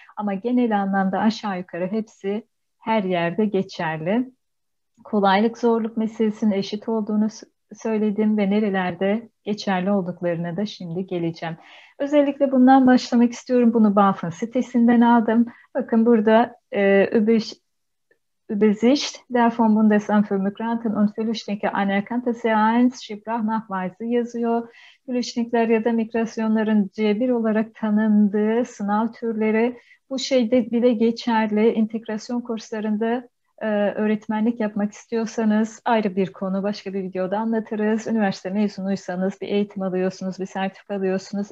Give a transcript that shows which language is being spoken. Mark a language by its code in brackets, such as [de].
[tr] Ama genel anlamda aşağı yukarı hepsi her yerde geçerli. Kolaylık zorluk meselesinin eşit olduğunu söyledim ve nerelerde geçerli olduklarına da şimdi geleceğim. Özellikle bundan başlamak istiyorum. Bunu BAFF'ın sitesinden aldım. [de] Bakın burada Übersicht der vom Bundesamt für Migranten und Flüchtlinge anerkannte C1 Sprachnachweise yazıyor. [tr] Flüchtlingler ya da migrasyonların C1 olarak tanındığı sınav türleri bu şeyde bile geçerli. İntegrasyon kurslarında öğretmenlik yapmak istiyorsanız ayrı bir konu, başka bir videoda anlatırız. Üniversite mezunuysanız bir eğitim alıyorsunuz, bir sertifika alıyorsunuz.